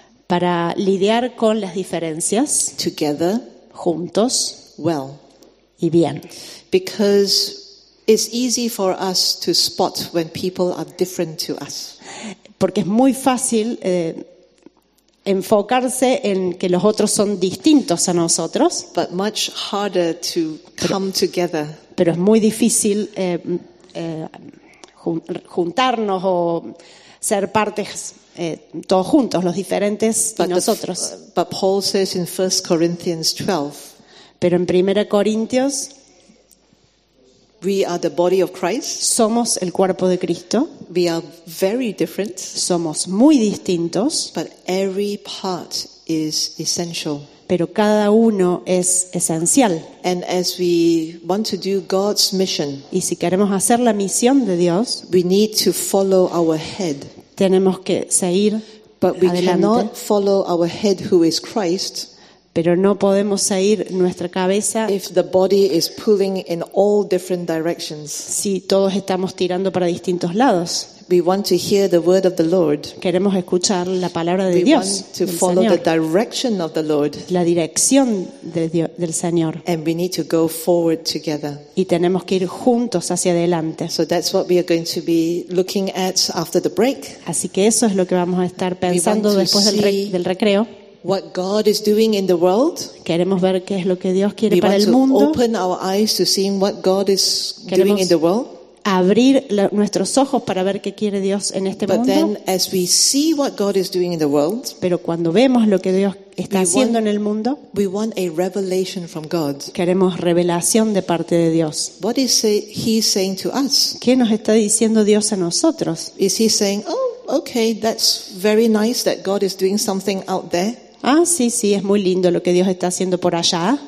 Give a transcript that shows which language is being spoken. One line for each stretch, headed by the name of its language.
Spanish: Para lidiar con las diferencias.
English: Together.
Spanish: Juntos.
English: Well.
Spanish: Y bien.
English: Because it's easy for us to spot when people are different to us.
Spanish: Porque es muy fácil enfocarse en que los otros son distintos a nosotros.
English: But much harder to come together.
Spanish: Pero es muy difícil juntarnos o ser partes todos juntos, los diferentes y nosotros.
English: But Paul says in 1 Corinthians 12.
Spanish: Pero en 1 Corintios.
English: We are the body of Christ.
Spanish: Somos el cuerpo de Cristo.
English: We are very different.
Spanish: Somos muy distintos.
English: But every part is essential.
Spanish: Pero cada uno es esencial.
English: And as we want to do God's mission,
Spanish: y si queremos hacer la misión de Dios,
English: we need to follow our head.
Spanish: Tenemos que seguir
English: but
Spanish: adelante.
English: We cannot follow our head who is Christ.
Spanish: Pero no podemos seguir nuestra cabeza
English: if the body is pulling in all different directions.
Spanish: Si todos estamos tirando para distintos lados.
English: We want to hear the word of the Lord.
Spanish: Queremos escuchar la palabra de
English: we
Spanish: Dios.
English: We want to follow
Spanish: Señor.
English: The direction of the Lord.
Spanish: La dirección del Señor.
English: And we need to go forward together.
Spanish: Y tenemos que ir juntos hacia adelante.
English: So that's what we are going to be looking at after the break.
Spanish: Así que eso es lo que vamos a estar pensando después del recreo.
English: What God is doing in the world.
Spanish: Queremos ver qué es lo que Dios quiere para el mundo.
English: Open our eyes to seeing what God is doing in the world.
Spanish: Abrir nuestros ojos para ver qué quiere Dios en este
English: but
Spanish: mundo.
English: Then, as we see what God is doing in the world.
Spanish: Pero cuando vemos lo que Dios está haciendo en el mundo.
English: We want a revelation from God.
Spanish: Queremos revelación de parte de Dios.
English: What is he saying to us?
Spanish: ¿Qué nos está diciendo Dios a nosotros?
English: Is he saying, oh, okay, that's very nice that God is doing something out there.
Spanish: Ah, sí, sí, es muy lindo lo que Dios está haciendo por allá.